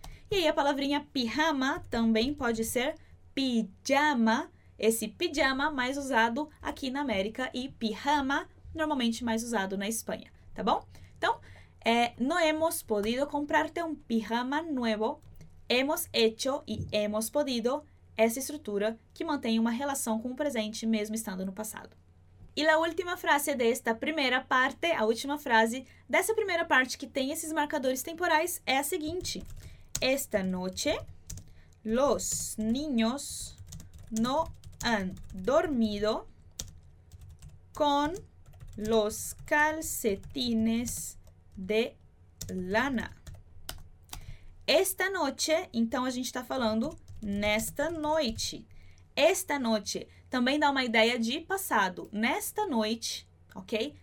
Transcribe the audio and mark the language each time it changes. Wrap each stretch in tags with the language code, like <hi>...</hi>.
<pt>E aí a palavrinha pijama também pode ser pijama. Esse pijama mais usado aqui na América e pijama normalmente mais usado na Espanha, tá bom?</pt> <es>Então, no hemos podido comprarte un pijama nuevo. Hemos hecho y hemos podido.</es> <pt>Essa estrutura que mantém uma relação com o presente mesmo estando no passado. E a última frase desta primeira parte, a última frase dessa primeira parte que tem esses marcadores temporais é a seguinte.</pt> <es>Esta noche, los niños no han dormido con los calcetines de lana. Esta noche,</es> <pt>então a gente está falando nesta noite. Esta noite também dá uma ideia de passado. Nesta noite, ok?</pt>